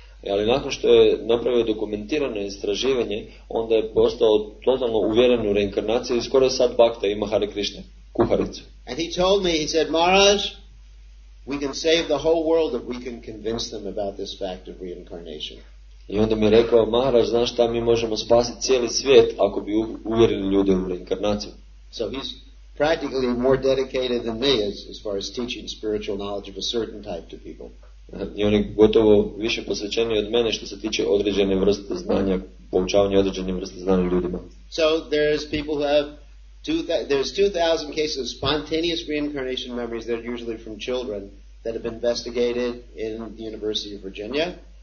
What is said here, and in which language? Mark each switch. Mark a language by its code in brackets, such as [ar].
[hr] Ali nakon što je napravio dokumentirano istraživanje, onda je postao totalno uvjeren u reinkarnaciju i skoro sad bhakta ima Hare Krishna kuharicu. [en] And he told me, he said, Maharaj, we can save the whole world if we can convince them about this fact of reincarnation. [hr] I onda mi je rekao, Maharaj, znaš šta, mi možemo spasiti cijeli svijet ako bi uvjerili ljude u reinkarnaciju. [en] So he's practically more dedicated than me as far as teaching spiritual knowledge of a certain type to people. [hr] I on je gotovo više posvećeniji od mene što se tiče određene vrste znanja, poučavanja određene vrste znanja ljudima. [en] So there's people who have there's 2,000 cases of spontaneous reincarnation memories that are usually from children that have been investigated in the University of Virginia.